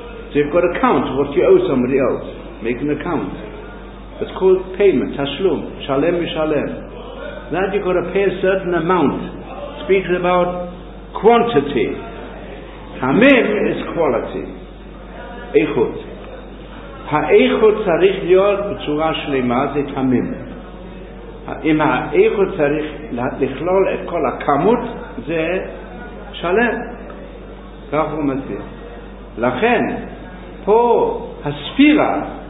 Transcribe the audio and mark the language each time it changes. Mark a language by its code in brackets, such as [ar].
[en] So you've got to count what you owe somebody else, make an account. It's called payment, [he] תשלום, שלם משלם. [en] That you've got to pay a certain amount, speaking about quantity. תמים is quality, [he] איכות. האיכות צריך להיות בצורה שלמה, זה תמים. אם האיכות צריך לכלול את כל הכמות, זה שלם, כך הוא מסביר. לכן פה הספירה,